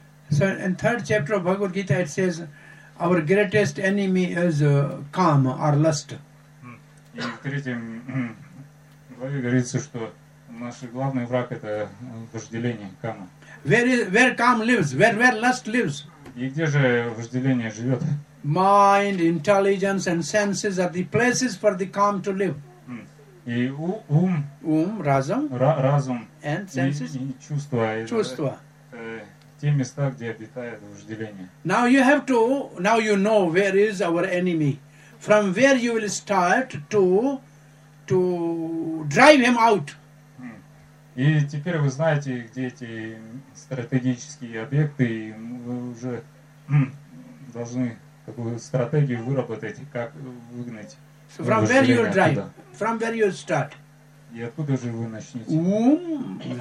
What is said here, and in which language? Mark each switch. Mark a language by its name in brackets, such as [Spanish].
[English] So in third chapter of Bhagavad Gita it says our greatest enemy is kama or lust. [Russian] И в третьем главе говорится, что наш главный враг это вожделение, кама. [English] Where kama lives? Where lust lives? [Russian] И где же вожделение живет? [English] Mind, intelligence and senses are the places for the kama to live. [Russian] И разум [English] and senses, [Russian] и чувства. Те места, где обитает вожделение. [English] Now you know where is our enemy. From where you will start to drive him out. [Russian] И теперь вы знаете, где эти стратегические объекты, и вы уже должны такую стратегию выработать, как выгнать. [English] So from where you drive? From where you start? [Russian] И откуда же вы начнете?